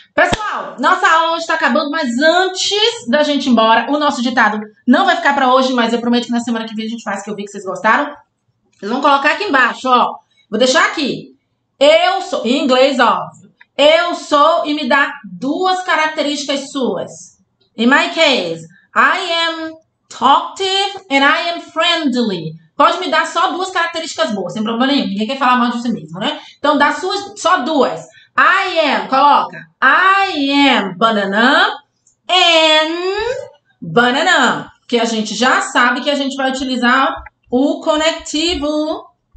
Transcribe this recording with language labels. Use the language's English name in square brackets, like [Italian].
[Portuguese] Pessoal, nossa aula está acabando, mas antes da gente ir embora, o nosso ditado não vai ficar para hoje, mas eu prometo que na semana que vem a gente faz, que eu vi que vocês gostaram. Vocês vão colocar aqui embaixo, ó. Vou deixar aqui. Eu sou, em inglês, óbvio. Eu sou e me dá duas características suas. [English] In my case, I am talkative and I am friendly. [Portuguese] Pode me dar só duas características boas, sem problema nenhum. Ninguém quer falar mal de si mesmo, né? Então, dá suas, só duas. [English] I am, [Portuguese] coloca. [English] I am banana and banana. [Portuguese] Que a gente já sabe que a gente vai utilizar o conectivo.